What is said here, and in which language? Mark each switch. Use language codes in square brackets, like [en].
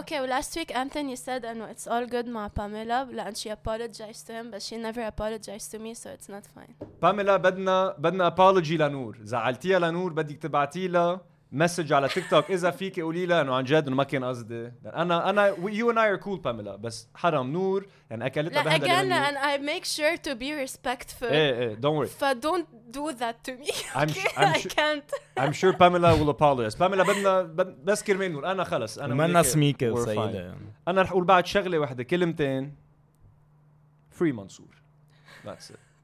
[en] Okay, well, last week Anthony said and it's all good ma Pamela and she apologized to him but she never apologized to me so it's not fine. [ar] Pamela, بدنا apology لنور. زعلتيها لنور بدك تبعتي لها مسج على تيك توك اذا فيك قولي لها انه عن جد انه ما كان قصدي. انا [en] you and I are cool [ar] Pamela بس حرام نور يعني اكلتها بهدله. [en] Again and I make sure to be respectful. Hey, don't worry. فdon't do that to me. I can't. I'm sure Pamela will apologize. [ar] Pamela بدنا بس كرمال نور انا خلص انا ما نسميك سيده انا رح اقول بعد شغله واحده كلمتين free منصور [en] that's it.